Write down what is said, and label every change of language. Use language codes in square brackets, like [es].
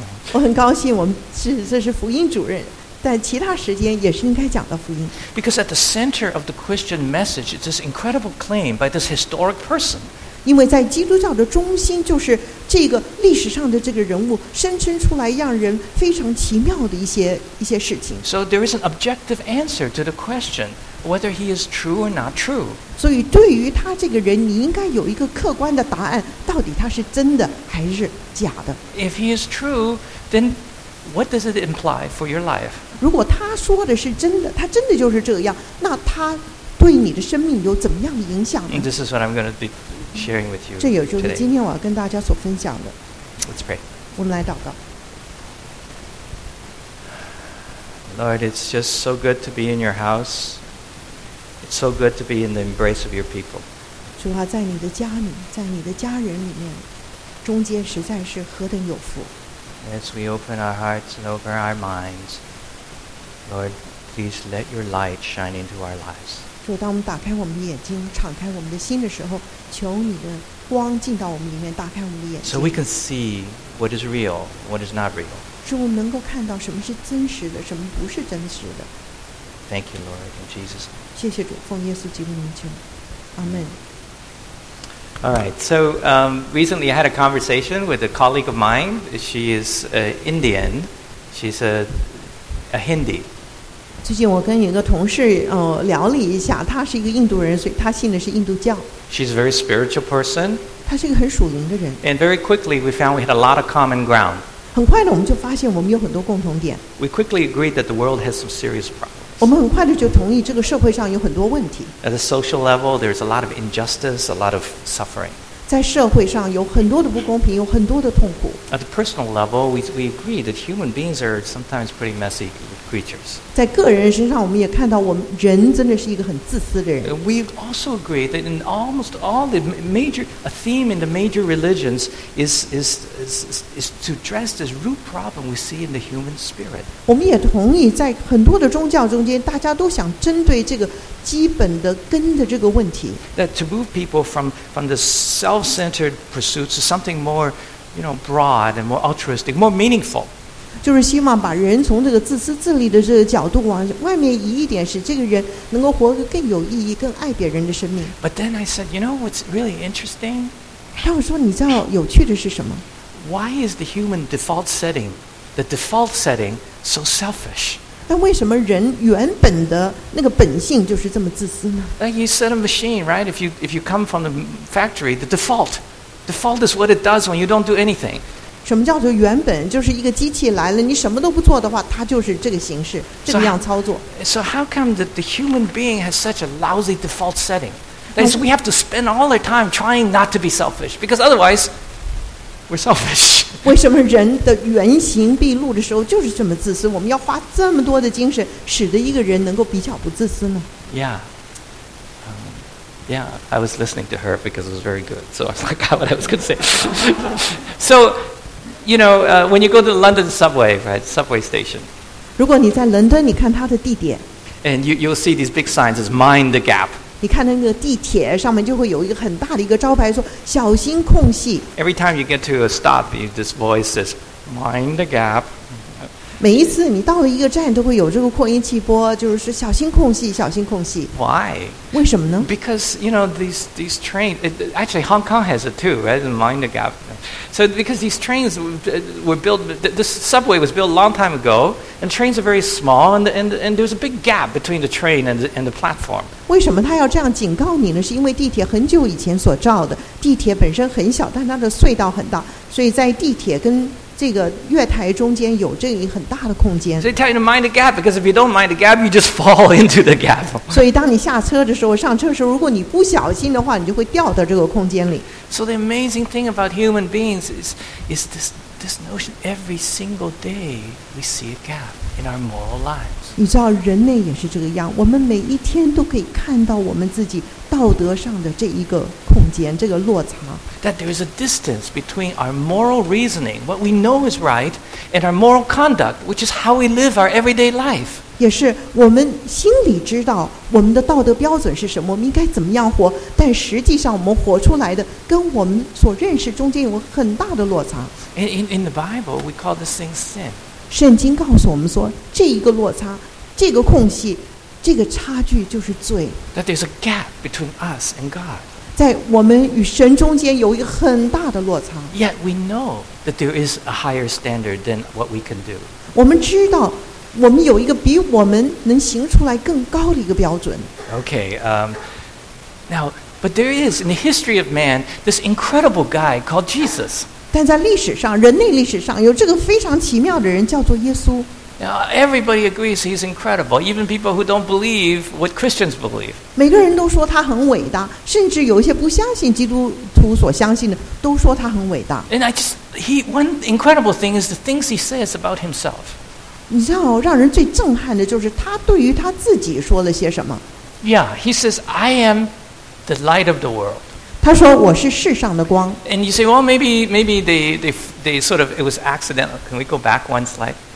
[zh] 我很高兴我们是这是福音主任，但其他时间也是应该讲的福音。 [en] Because at the center of the Christian message is this incredible claim by this historic person. [zh] 因为在基督教的中心就是这个历史上的这个人物声称出来让人非常奇妙的一些事情。 [en] So there is an objective answer to the question whether he is true or not true. [zh] 所以对于他这个人，你应该有一个客观的答案，到底他是真的还是假的。 [en] If he is true, then. What does it imply for your life? [zh] 如果他说的是真的，他真的就是这样，那他对你的生命有怎么样的影响呢？ [en] And this is what I'm going to be sharing with you. [zh] 这也就是今天我要跟大家所分享的。 [en] Let's pray. [zh] 我们来祷告。 [en] Lord, it's just so good to be in your house. It's so good to be in the embrace of your people. [zh] 主啊，在你的家里，在你的家人里面，中间实在是何等有福。 [en] As we open our hearts and open our minds, Lord, please let your light shine into our lives. [zh] 主，当我们打开我们的眼睛，敞开我们的心的时候，求你的光进到我们里面，打开我们的眼睛。 [en] So we can see what is real, what is not real. [zh] 主，我们能够看到什么是真实的，什么不是真实的。 [en] Thank you, Lord, in Jesus. [zh] 谢谢主，奉耶稣基督的名求，阿门。 [en] All right, so recently I had a conversation with a colleague of mine. She is Indian. She's a Hindi. [zh] 最近我跟一个同事聊了一下，她是一个印度人，所以她信的是印度教。 [en] She's a very spiritual person. [zh] 她是一个很属灵的人。 [en] And very quickly we found we had a lot of common ground. [zh] 很快的我们就发现我们有很多共同点。 [en] We quickly agreed that the world has some serious problems. [zh] 我们很快的就同意这个社会上有很多问题。 [en] At the social level, there's a lot of injustice, a lot of suffering. [zh] 在社会上有很多的不公平，有很多的痛苦。 [en] At the personal level, we agree that human beings are sometimes pretty messy creatures. [zh] 在个人身上，我们也看到我们人真的是一个很自私的人。 [en] We also agree that in almost all the major, a theme in the major religions is to address this root problem we see in the human spirit. [zh] 我们也同意在很多的宗教中间，大家都想针对这个基本的根的这个问题。 [en] That to move people from the self-centered pursuits to something more, you know, broad and more altruistic, more meaningful. [zh] 就是希望把人从这个自私自利的这个角度往外面移一点，使这个人能够活得更有意义，更爱别人的生命。 [en] But then I said, you know what's really interesting? [zh] 但我说你知道有趣的是什么？ [en] Why is the human default setting, the default setting so selfish? [zh] 但为什么人原本的那个本性就是这么自私呢？ [en] You set a machine, right? If you come from the factory, the default is what it does when you don't do anything. [zh] 什么叫做原本？就是一个机器来了，你什么都不做的话，它就是这个形式，这个样操作。 [en] So how come that the human being has such a lousy default setting? That is, we have to spend all our time trying not to be selfish, because otherwise, we're selfish. [zh] 为什么人的原形毕露的时候就是这么自私？我们要花这么多的精神，使得一个人能够比较不自私呢 [en] ？Yeah,、yeah. I was listening to her because it was very good. So I forgot what I was going to say. So, you know,、when you go to London subway, right, subway station. [zh] 如果你在伦敦，你看它的地点。 [en] And you'll see these big signs as "Mind the Gap." [zh] 你看那个地铁上面就会有一个很大的一个招牌说小心空隙。 [en] Every time you get to a stop, this voice says, mind the gap. [zh] 每一次你到了一个站都会有这个扩音器播就是小心空隙小心空隙。 [en] Why? [zh] 为什么呢 [en] ?Because, you know, these trains, actually Hong Kong has it too, right? Mind the gap. So because these trains were built, this subway was built a long time ago, and trains are very small, and there's a big gap between the train and the platform. [zh] 为什么他要这样警告你呢？是因为地铁很久以前所造的，地铁本身很小，但它的隧道很大，所以在地铁跟这个月台中间有这一很大的空间。 [en] So they tell you to mind the gap because if you don't mind the gap, you just fall into the gap. [zh] 所以当你下车的时候、上车的时候，如果你不小心的话，你就会掉到这个空间里。 [en] So the amazing thing about human beings is this notion: every single day we see a gap in our moral lives. [zh] 你知道人类也是这个样我们每一天都可以看到我们自己道德上的这一个空间这个落差 [en] That there is a distance between our moral reasoning what we know is right and our moral conduct which is how we live our everyday life [zh] 也是我们心里知道我们的道德标准是什么我们应该怎么样活但实际上我们活出来的跟我们所认识中间有很大的落差 [en] In the Bible we call this thing sin [zh] 圣经告诉我们说这一个落差这个空隙这个差距就是罪 [en] That there's a gap between us and God [zh] 在我们与神中间有一个很大的落差 [en] Yet we know that there is a higher standard than what we can do [zh] 我们知道我们有一个比我们能行出来更高的一个标准 [en] Okay, now, but there is in the history of man this incredible guy called Jesus [zh] 但在历史上人类历史上有这个非常奇妙的人叫做耶稣 [en] Now, everybody agrees he's incredible even people who don't believe what Christians believe [zh] 每个人都说他很伟大甚至有一些不相信基督徒所相信的都说他很伟大 [en] and I just, one incredible thing is the things he says about himself [zh] 你知道让人最震撼的就是他对于他自己说了些什么 [en] Yeah, he says I am the light of the world [zh] 他说我是世上的光 [en] And you say, well, maybe they sort of, it was accidental. Can we go back one slide?